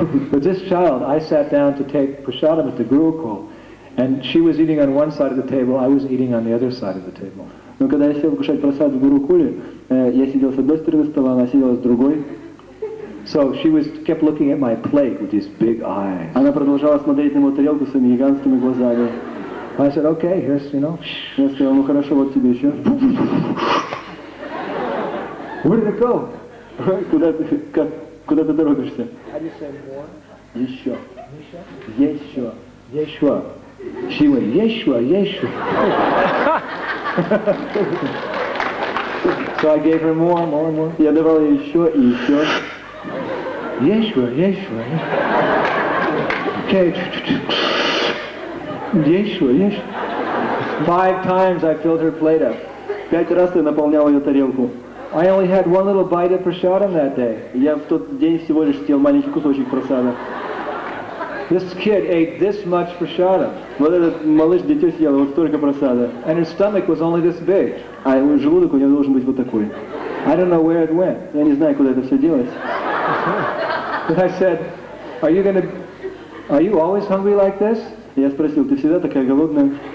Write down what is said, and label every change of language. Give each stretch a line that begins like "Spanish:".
English: But this child, I sat down to take prasadam at the Gurukul, and she was eating on one side of the table, I was eating on the other side of the table.
Russian: Но когда я сел кушать просад в Гурукуле, я сидел с одной стороны стола, она сидела с другой.
English: So she was kept looking at my plate with these big eyes.
Russian: Она продолжала смотреть на мою тарелку своими гигантскими глазами.
English: I said, okay, here's, you know.
Russian: Я сказал, ну хорошо, вот тебе еще.
English: Where did it go?
Russian: Куда ты торопишься?
English: How do you say more?
Russian: Еще. Еще. Еще.
English: She went, Yeshua, Yeshua. So I gave her more, more and more.
Russian: Я давал ей еще и еще.
English: Five times I filled her plate up.
Russian: Пять раз я наполнял ее тарелку.
English: I only had one little bite of prasadam that day.
Russian: Я в тот день всего лишь съел маленький кусочек прасада.
English: This kid ate this much prasadam.
Russian: Вот этот малыш дитё съел вот столько прасада.
English: And his stomach was only this big.
Russian: А желудок у него должен быть вот такой.
English: I don't know where it went.
Russian: Я не знаю, куда это все делось.
English: But I said, are you always hungry like this?
Russian: Я спросил, ты всегда такая голодная?